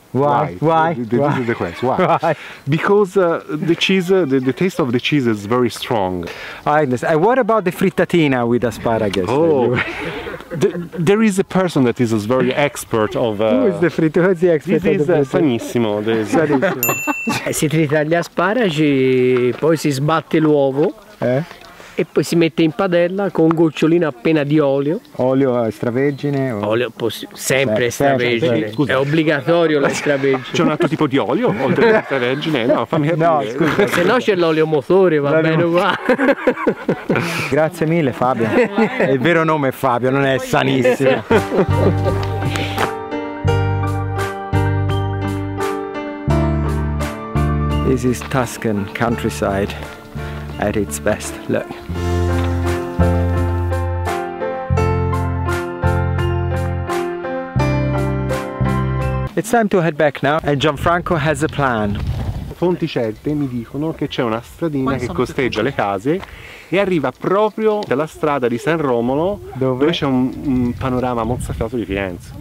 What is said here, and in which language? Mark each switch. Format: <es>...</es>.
<en>Why? Why? This is the question. Why? Because the cheese, the taste of the cheese is very strong. I understand. What about the frittatina with asparagus? Oh, there is a person that is very expert of... Who is the frittatina? Who is the expert of the frittatina? This is Sanissimo.</en> <it>Si trita gli asparagi, poi si sbatte l'uovo. E poi si mette in padella con un gocciolino appena di olio. Olio extravergine? Olio sempre extravergine. È obbligatorio l'extravergine. C'è un altro tipo di olio oltre all'extravergine? No, fammi capire. No, scusa. Se no c'è l'olio motore, va bene qua. Grazie mille, Fabio. Il vero nome è Fabio, non è Sanissimo.</it> <en>This is Tuscan countryside. At its best, look. It's time to head back now, and Gianfranco has a plan.</en> <it>Fonti certe mi dicono che c'è una stradina che costeggia le case e arriva proprio dalla strada di San Romolo, dove c'è un panorama mozzafiato di Firenze.</it>